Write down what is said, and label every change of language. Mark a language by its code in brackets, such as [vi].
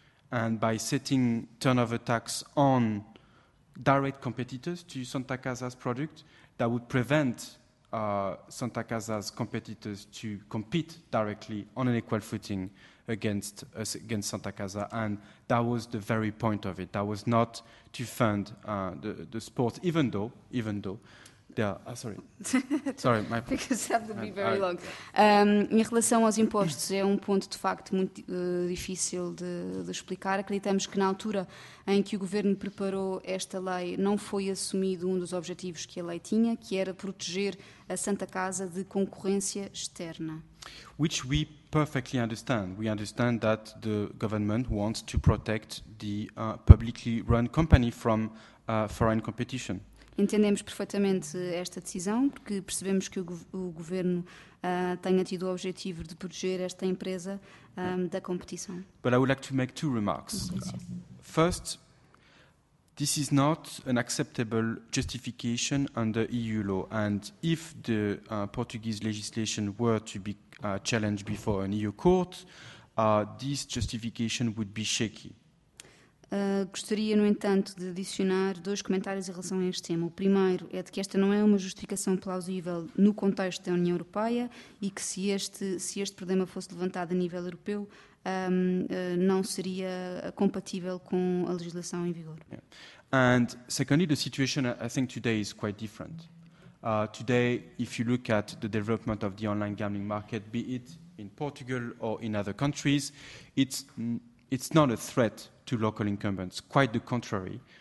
[en] And by setting turnover tax on direct competitors to Santa Casa's product, that would prevent Santa Casa's competitors to compete directly on an equal footing against us, against Santa Casa, and that was the very point of it. That was not to fund the sport, even though there are, sorry. Sorry, my because that would be very long. [pt] Em relação aos impostos, é um ponto de facto muito difícil de explicar. Acreditamos que na altura em que o governo preparou esta lei, não foi assumido um dos objetivos que a lei tinha, que era proteger a Santa Casa de concorrência externa. [en] Which we perfectly understand. We understand that the government wants to protect the publicly run company from foreign competition. [pt] Entendemos perfeitamente esta decisão, porque percebemos que o governo tenha tido o objetivo de proteger esta empresa da competição. [en] But I would like to make two remarks. First, this is not an acceptable justification under EU law, and if the Portuguese legislation were to be challenged before an EU court, this justification would be shaky. [pt] Gostaria, no entanto, de adicionar dois comentários em relação a este tema. O primeiro é de que esta não é uma justificação plausível no contexto da União Europeia e que se este problema fosse levantado a nível europeu, não seria compatível com a legislação em vigor. [en] Yeah. And secondly, the situation I think today is quite different. Today, if you look at the development of the online gambling market, be it in Portugal or in other countries, it's not a threat to local incumbents. Quite the contrary.